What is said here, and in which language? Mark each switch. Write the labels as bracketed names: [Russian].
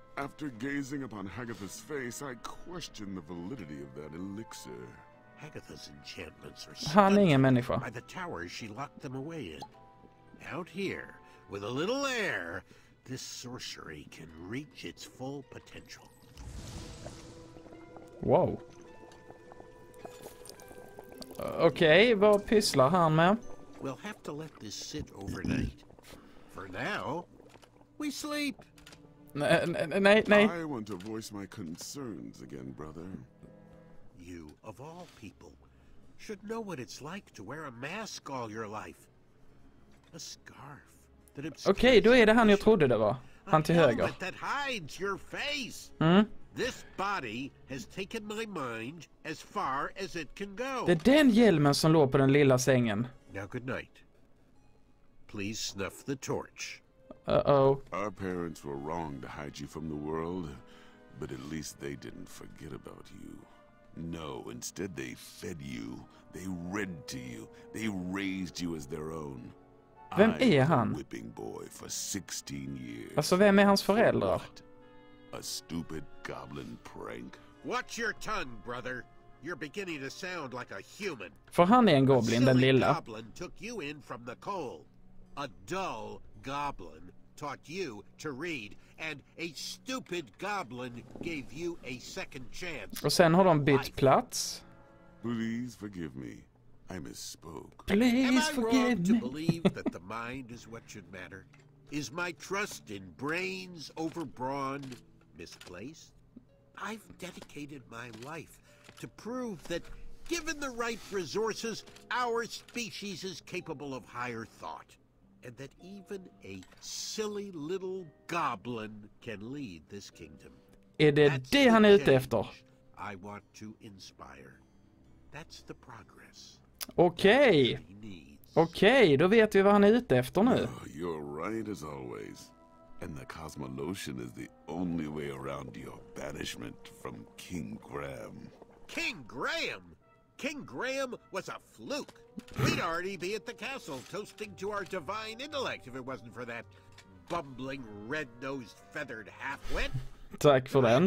[English] After gazing upon Hagatha's face, I question the validity of that elixir. Hagatha's enchantments are stunned by the towers she locked them away in. Out here, with a little air, this sorcery can reach its full potential. Wow. [Swedish] Okay, vad pysslar han med? [English] We'll have to let this sit overnight. For now, we sleep. Nej. I want to voice my concerns again, brother. You, of all people, should know what it's like to wear a mask all your life. A scarf that obscures. [Swedish] Okej, då är det han jag trodde det var. Han till höger. [English] That hides your face. Mm. This body has taken my mind as far as it can go. [Swedish] Det är den hjälmen som låg på den lilla sängen. [English] Now good night. Please snuff the torch. Uh-oh. Our parents were wrong to hide you from the world, but at least they didn't forget about you. No, instead they fed you, they read to you, they raised you as their own. [Swedish] Vem är han? [English] Whipping boy for 16 years. [Swedish] Alltså, vem är hans föräldrar? [English] A stupid goblin prank. Watch your tongue, brother. You're beginning to sound like a human. [Swedish] För han är en goblin, den lilla. [English] A silly goblin took you in from the coal. A dull goblin taught you to read. And a stupid goblin gave you a second chance. [Swedish] Och sen har de bytt plats. [English] Please forgive me. I misspoke. Please forgive me. Am I wrong to believe that the mind is what should matter? Is my trust in brains over brawn misplaced? I've dedicated my life to prove that given the right resources, our species is capable of higher thought. And that even a silly little goblin can lead this kingdom. [Swedish] Är det det han är ute efter? [English] I want to inspire. That's the progress. [Swedish] Okej. Okej, då vet vi vad han är ute efter nu. [English] You're right as always. And the cosmolotion is the only way around your banishment from King Graham. King Graham? King Graham was a fluke. We'd already be at the castle toasting to our divine intellect if it wasn't for that bumbling red-nosed feathered halfwit. [Swedish] Tack för den.